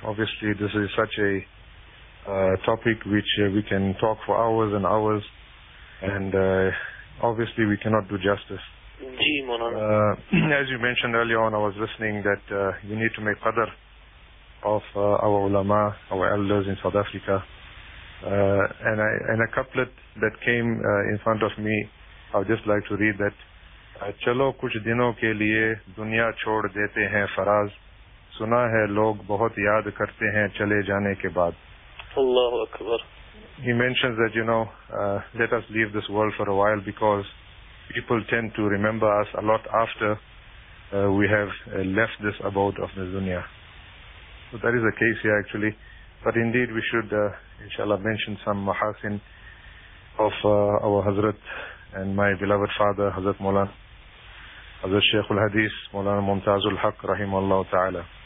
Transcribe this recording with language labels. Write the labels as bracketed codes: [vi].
[en] Obviously, this is such a topic which we can talk for hours and hours, and obviously we cannot do justice. Ji, Maulana. As you mentioned earlier on, I was listening that you need to make qadr of our ulama, our elders in South Africa. And a couplet that came in front of me, I would just like to read that. [ur] چلو کچھ دنوں کے لیے دنیا چھوڑ دیتے ہیں فراز سنا ہے لوگ بہت یاد کرتے ہیں چلے جانے کے بعد [ar] اللہ اکبر [en] He mentions that, you know, let us leave this world for a while because people tend to remember us a lot after we have left this abode of the dunya. So that is the case here actually. But indeed we should, inshallah, mention some mahasin of our Hazrat and my beloved father, Hazrat Maulana, Hazrat Sheikh al-Hadith, Maulana Mumtaz al-Haq, rahimahullah ta'ala.